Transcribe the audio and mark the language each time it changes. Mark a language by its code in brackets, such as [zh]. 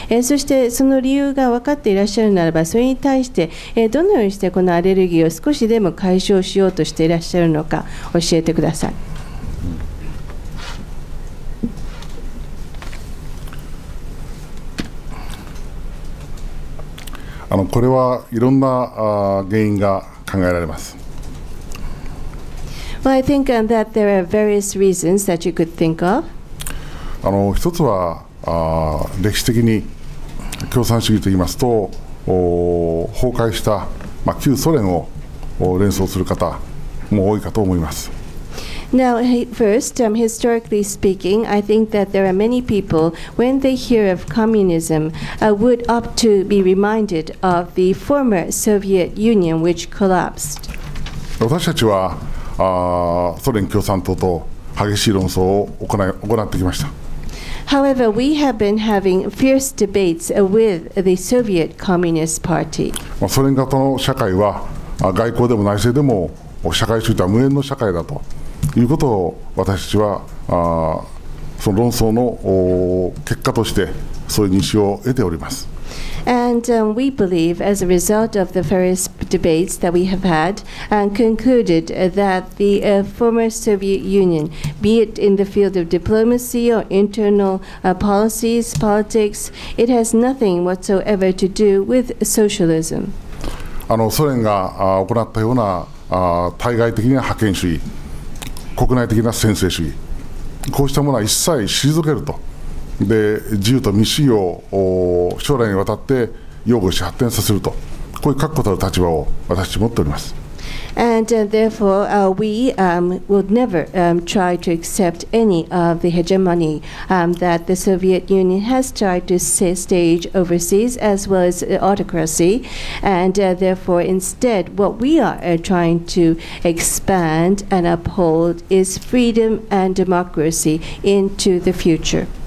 [ja] そしてその理由が分かっていらっしゃるならば、それに対してどのようにしてこのアレルギーを少しでも解消しようとしていらっしゃるのか教えてください。これはいろんな原因が考えられます。 [en] Well, I think that there are various reasons that you could think of. [ja] 一つは歴史的に共産主義といいますと崩壊した、まあ、旧ソ連を連想する方も多いかと思います。 [en] Now, first, historically speaking, I think that there are many people, when they hear of communism, would opt to be reminded of the former Soviet Union, which collapsed. [ja] 私たちはソ連共産党と激しい論争を行ってきました。 [en] However, we have been having fierce debates with the Soviet Communist Party. [ja] ソ連型の社会は外交でも内政でも社会主義とは無縁の社会だということを私たちはその論争の結果としてそういう認識を得ております。 [en] And we believe, as a result of the various debates that we have had, and concluded that the former Soviet Union, be it in the field of diplomacy or internal policies, politics, it has nothing whatsoever to do with socialism. [ja] ソ連が行ったような対外的な覇権主義、国内的な専制主義、こうしたものは一切退けると。で自由と民主主義を将来にわたって擁護し発展させるとこういう確固たる立場を私持っております。 [en] And therefore, we will never try to accept any of the hegemony that the Soviet Union has tried to stage overseas, as well as autocracy. And therefore, instead, what we are trying to expand and uphold is freedom and democracy into the future.